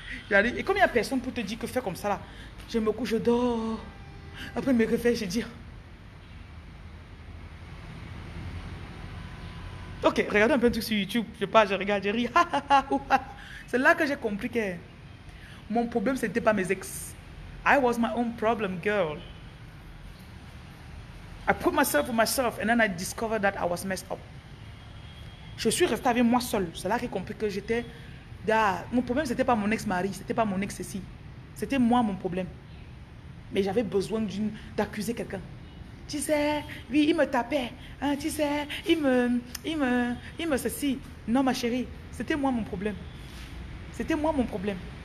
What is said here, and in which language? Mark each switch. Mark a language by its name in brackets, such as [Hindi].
[French] Et comme il n'y a personne pour te dire que fais comme ça là, je me couche, je dors. Après, je me réveille, je dis. Ok, regardez un peu un truc sur YouTube. Je pars, je regarde, je ris. C'est là que j'ai compris que mon problème, ce n'était pas mes ex. [English] I was my own problem, girl. I put myself with myself and then I discovered that I was messed up. [French] Je suis resté avec moi seul. C'est là que j'ai compris que j'étais. Mon problème, ce n'était pas mon ex-mari, ce n'était pas mon ex-ceci. C'était moi mon problème. Mais j'avais besoin d'accuser quelqu'un. Tu sais, oui, il me tapait. Hein, tu sais, il me ceci. Non, ma chérie, c'était moi mon problème. C'était moi mon problème.